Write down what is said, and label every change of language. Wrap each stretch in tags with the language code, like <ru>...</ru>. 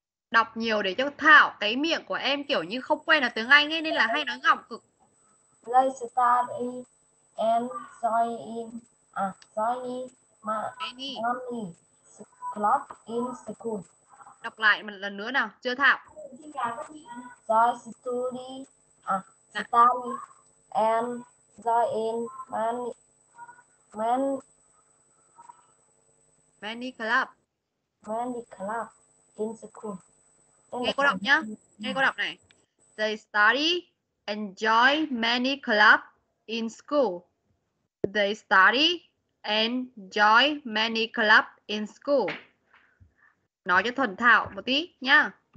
<vi>Đọc nhiều để cho Thảo cái miệng của em kiểu như không quen là tiếng Anh ấy, nên là hay nói ngọng cực.</vi> <en>They study and join in many club in school.</en> <vi>Đọc lại một lần nữa nào, chưa Thảo.</vi> <en>They study study and join in many club. Many club in school.</en> <vi>Nghe cô đọc nhá. Nghe cô đọc này.</vi> <en>They study and join many club in school. They study and join many club in school.</en> <vi>Nói cho thuần thạo một tí nhá.</vi>